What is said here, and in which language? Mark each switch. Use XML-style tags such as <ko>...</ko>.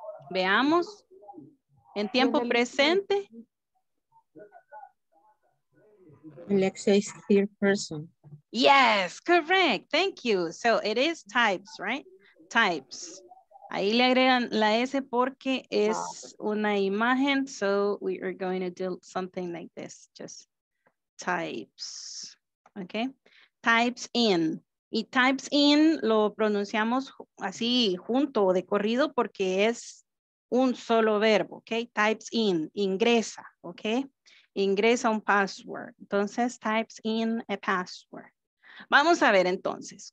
<es>Veamos, en tiempo presente.</es> <en>Alexia is third person. Yes, correct, thank you. So it is types, right? Types.</en> <es>Ahí le agregan la S porque es una imagen.</es> <en>So we are going to do something like this. Just types. Okay. Types in.</en> <es>Y types in lo pronunciamos así junto o de corrido porque es un solo verbo. Okay. Types in. Ingresa. Okay. Ingresa un password. Entonces types in a password. Vamos a ver entonces.</es>